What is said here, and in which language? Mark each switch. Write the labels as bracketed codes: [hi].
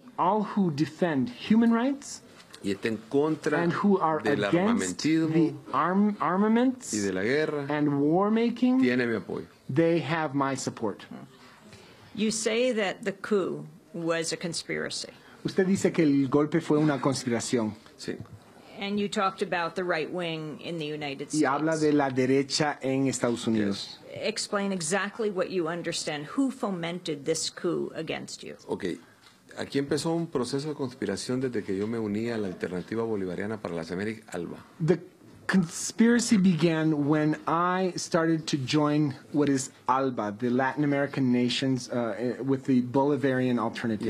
[en] All who defend human rights [es] y estén contra [en] and who are [es] del [en] against the armaments [es] y de la guerra, [en] and war making, [es] tiene mi apoyo. [en] They have my support. You say that the coup was a conspiracy. [es] Usted dice que el golpe fue una conspiración. Sí. [en] And you talked about the right wing in the United States. [es] Y habla de la derecha en Estados Unidos. [en] Yes. Explain exactly what you understand. Who fomented this coup against you? Okay. [es] Aquí empezó un proceso de conspiración desde que yo me uní a la Alternativa Bolivariana para las Américas, ALBA. [en] The conspiracy began when I started to join what is ALBA, the Latin American Nations, with the Bolivarian Alternative.